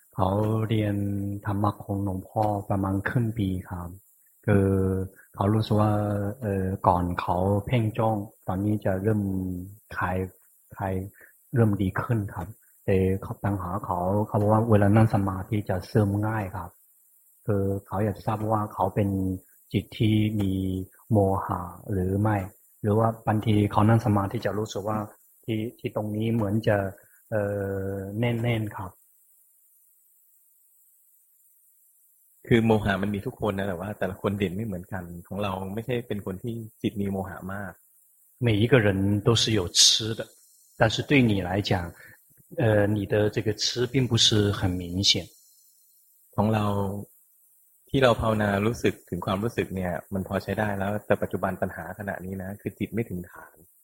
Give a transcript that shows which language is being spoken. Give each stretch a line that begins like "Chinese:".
Thai: เขาเรียนธรรมะของหลวงพ่อประมาณครึ่งปีครับคือเขารู้สึกว่าก่อนเขาเพ่งจ้องตอนนี้จะเริ่มคลายเริ่มดีขึ้นครับแต่ปัญหาเขาบอกว่าเวลานั่งสมาธิจะเสื่อมง่ายครับคือเขาอยากจะทราบว่าเขาเป็นจิตที่มีโมหะหรือไม่หรือว่าบางทีเขานั่งสมาธิจะรู้สึกว่าที่ตรงนี้เหมือนจะแน่นๆครับ คือโมหะมันมีทุกคนนะแต่ว่าแต่ละคนเด่นไม่เหมือนกันของเราไม่ใช่เป็นคนที่จิตมีโมหะมาก
Chinese: 每一个人都是有痴的但是对你来讲你的这个痴并不是很明显
Thai: ของเราที่เราภาวนารู้สึกถึงความรู้สึกเนี่ยมันพอใช้ได้แล้วแต่ปัจจุบันปัญหาขณะนี้นะคือจิตไม่ถึงฐาน